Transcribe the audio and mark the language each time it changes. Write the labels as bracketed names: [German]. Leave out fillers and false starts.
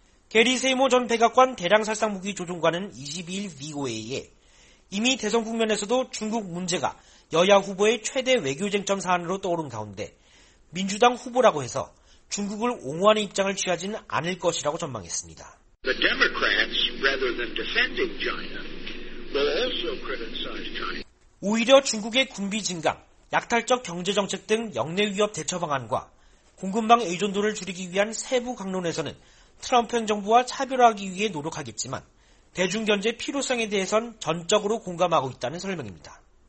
[Korean] 게리 세이모 전 백악관 대량살상무기 조종관은 22일 VOA에 이미 대선 국면에서도 중국 문제가 여야 후보의 최대 외교쟁점 사안으로 떠오른 가운데 민주당 후보라고 해서 중국을 옹호하는 입장을 취하지는 않을 것이라고 전망했습니다. [English] The Democrats, rather than defending China, will also criticize China. [Korean] 오히려 중국의 군비 증강, 약탈적 경제정책 등 역내 위협 대처 방안과 공급망 의존도를 줄이기 위한 세부 강론에서는 트럼프 현 정부와 차별화하기 위해 노력하겠지만 대중견제 필요성에 대해선 전적으로 공감하고 있다는 설명입니다.